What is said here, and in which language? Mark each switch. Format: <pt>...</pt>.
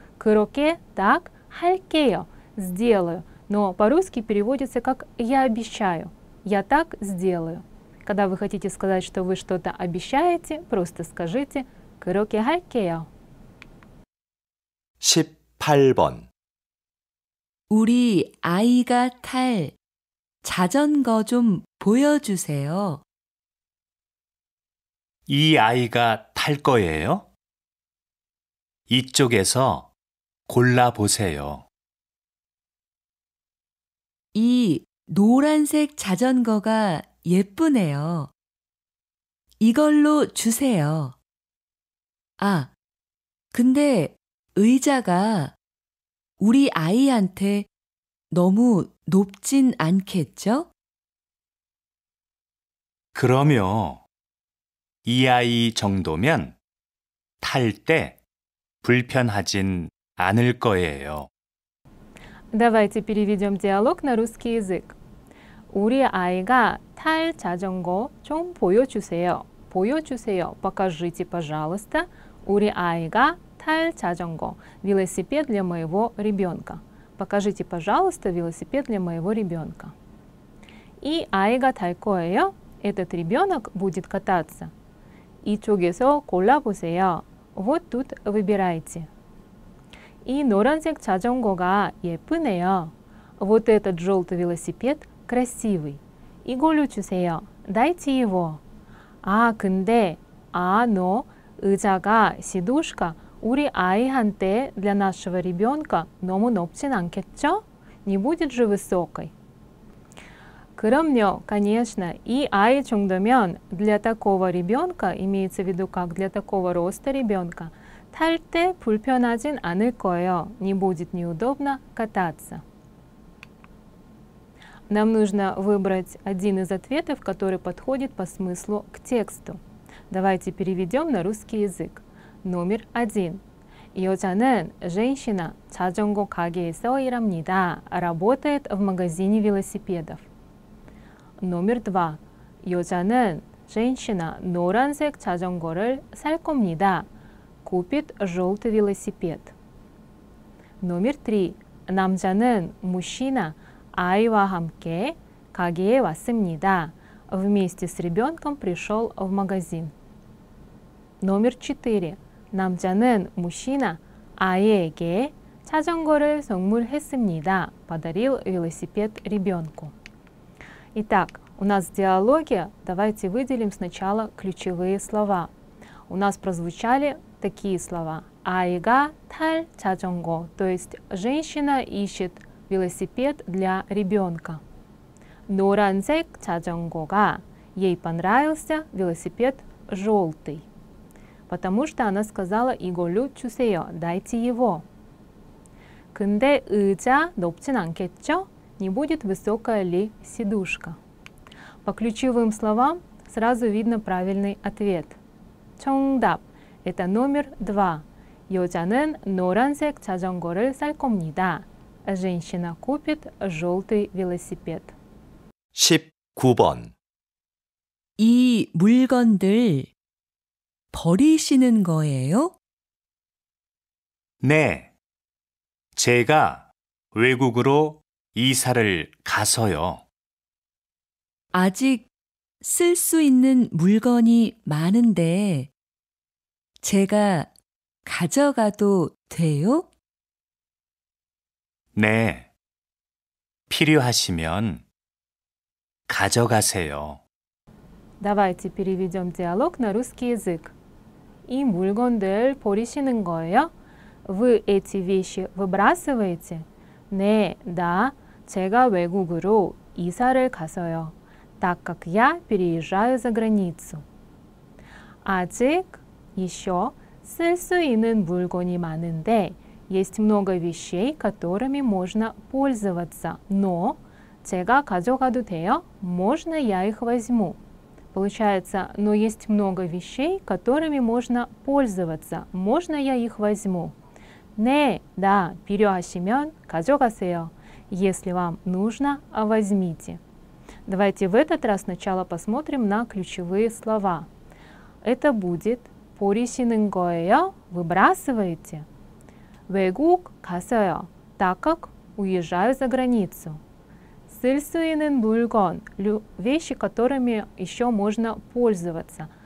<ko>Кроке так халькео.</ko> <ru>Сделаю. Но по-русски переводится как я обещаю. Я так сделаю. Когда вы хотите сказать, что вы что-то обещаете, просто скажите</ru> <ko>кроке халькео. 18번. 우리 아이가 탈 자전거 좀 보여주세요. 이 아이가 탈 거예요? 이쪽에서 골라보세요. 이 노란색 자전거가 예쁘네요. 이걸로 주세요. 아, 근데 의자가 우리 아이한테 너무 높진 않겠죠? 그럼요. 이 아이 정도면 탈 때 불편하진 않을 거예요.</ko> <ru>Давайте переведем диалог на русский язык.</ru> <ko>우리 아이가 탈 자전거 좀 보여주세요. 보여주세요.</ko> <ru>Покажите, пожалуйста.</ru> <ko>우리 아이가 탈 자전거.</ko> <ru>Велосипед для моего ребенка. Покажите, пожалуйста, велосипед для моего ребенка.</ru> <ko>И 아이가 탈 거예요.</ko> <ru>Этот ребенок будет кататься.</ru> <ko>이쪽에서 골라보세요.</ko> <ru>Вот тут выбирайте.</ru> <ko>이 노란색 자전거가 예쁘네요.</ko> <ru>Вот этот желтый велосипед красивый.</ru> <ko>이걸로 주세요.</ko> <ru>Дайте его.</ru> <ko>아, 근데, 아, 너, 의자가,</ko> <ru>сидушка,</ru> <ko>우리 아이한테,</ko> <ru>для нашего ребенка,</ru> <ko>너무 높진 않겠죠?</ko> <ru>Не будет же высокой.</ru> <ko>그럼요,</ko> <ru>конечно,</ru> <ko>이 아이 정도면,</ko> <ru>для такого ребенка, имеется в виду, как для такого роста ребенка,</ru> <ko>탈 때 불편하진 않을 거예요.</ko> <ru>Не будет неудобно кататься. Нам нужно выбрать один из ответов, который подходит по смыслу к тексту. Давайте переведем на русский язык. Номер один.</ru> <ko>여자는,</ko> <ru>женщина,</ru> <ko>자전거 가게에서 일합니다.</ko> <ru>Работает в магазине велосипедов. Номер два.</ru> <ko>여자는,</ko> <ru>женщина,</ru> <ko>노란색 자전거를 살 겁니다.</ko> <ru>Купит желтый велосипед. Номер три.</ru> <ko>남자는,</ko> <ru>мужчина,</ru> <ko>아이와 함께 가게에 왔습니다.</ko> <ru>Вместе с ребенком пришел в магазин. Номер четыре.</ru> <ko>남자는,</ko> <ru>мужчина,</ru> <ko>아이에게 자전거를 선물했습니다.</ko> <ru>Подарил велосипед ребенку. Итак, у нас в диалоге давайте выделим сначала ключевые слова. У нас прозвучали такие слова.</ru> <ko>아이가 탈 자전거,</ko> <ru>то есть женщина ищет велосипед для ребенка.</ru> <ko>노란색 자전거가,</ko> <ru>ей понравился велосипед желтый. Потому что она сказала</ru> <ko>이걸로 주세요,</ko> <ru>дайте его.</ru> <ko>근데 의자 높진 않겠죠?</ko> <ru>Не будет высокая ли сидушка? По ключевым словам сразу видно правильный ответ.</ru> <ko>정답.</ko> <ru>Это номер два.</ru> <ko>여자는 노란색 자전거를 살 겁니다.</ko> <ru>Женщина купит желтый велосипед.</ru> <ko>19번. 이 물건들 버리시는 거예요? 네. 제가 외국으로 이사를 가서요. 아직 쓸 수 있는 물건이 많은데 제가 가져가도 돼요? 네, 필요하시면 가져가세요.</ko> <ru>Давайте переведем диалог на русский язык.</ru> <ko>이 물건들 버리시는 거예요?</ko> <ru>Вы эти вещи выбрасываете?</ru> <ko>네, 나, 제가 외국으로 이사를 가서요.</ko> <ru>Так как я переезжаю за границу.</ru> <ko>아직</ko> <ru>еще</ru> <ko>쓸 수 있는 물건이 많은데</ko> <ru>есть много вещей, которыми можно пользоваться. Но</ru> <ko>제가 가져가도 돼요?</ko> <ru>Можно я их возьму? Получается, но есть много вещей, которыми можно пользоваться. Можно я их возьму?</ru> <ko>네,</ko> <ru>да,</ru> <ko>필요하시면 가져가세요.</ko> <ru>Если вам нужно, возьмите. Давайте в этот раз сначала посмотрим на ключевые слова. Это будет</ru> <ko>버리시는 거예요?</ko> <ru>Выбрасываете?</ru> <ko>외국 가세요?</ko> <ru>Так как уезжаю за границу.</ru> <ko>쓸 수 있는 물건,</ko> <ru>вещи, которыми еще можно пользоваться.</ru>